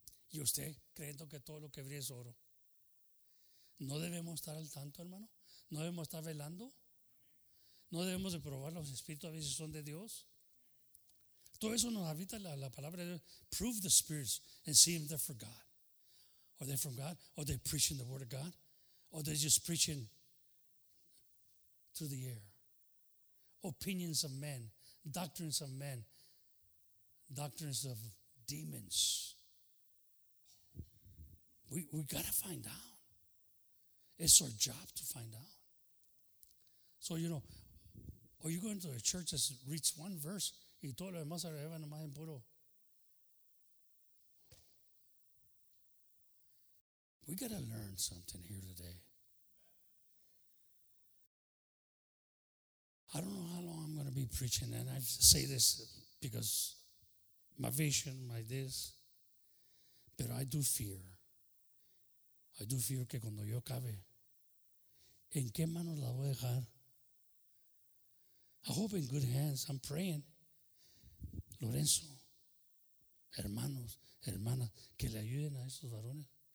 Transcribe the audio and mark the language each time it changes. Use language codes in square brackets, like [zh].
[es] ¿Y usted creyendo que todo lo que brilla es oro? ¿No debemos estar al tanto, hermano? ¿No debemos estar velando? ¿No debemos de probar los espíritus a ver si son de Dios? Todo eso nos habita la palabra de Dios. [en] Prove the spirits and see if they're from God. Are they from God? Are they preaching the word of God? Or they're just preaching through the air? Opinions of men, doctrines of men, doctrines of demons. We got to find out. It's our job to find out. So, you know, are you going to a church that reads one verse y todo lo demás se va nomás en puro? We got to learn something here today. I don't know how long I'm going to be preaching, and I say this because my vision, my this, pero I do fear. [es] I do fear que cuando yo acabe, ¿en qué manos la voy a dejar? I hope in good hands. I'm praying. Lorenzo, hermanos, hermanas, que le ayuden a estos varones.